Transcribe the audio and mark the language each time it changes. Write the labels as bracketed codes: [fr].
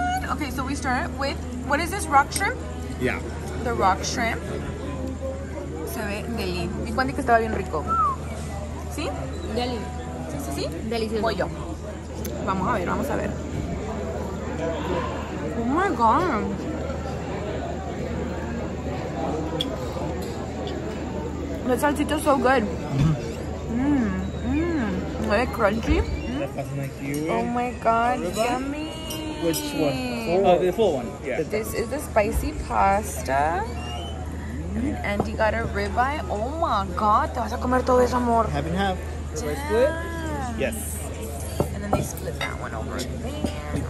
[en] Okay, so we start with, what is this, rock shrimp? Yeah. The rock shrimp. [es] Se ve deli. Y cuando que estaba bien rico. ¿Sí? Deli. ¿Sí, sí, sí? Delicioso. Pollo. Vamos a ver, vamos a ver. [en] Oh my God. The salsita is so good. Mmm. Mmm. Very crunchy. Mm. Oh my God. Yummy. Which one? Oh, the full one. Yeah. This is the spicy pasta. And Andy got a ribeye. Oh my God. [es] Te vas a comer todo eso, amor. [en] Half and half. Ribeye split? Yes. And then they split that one over there.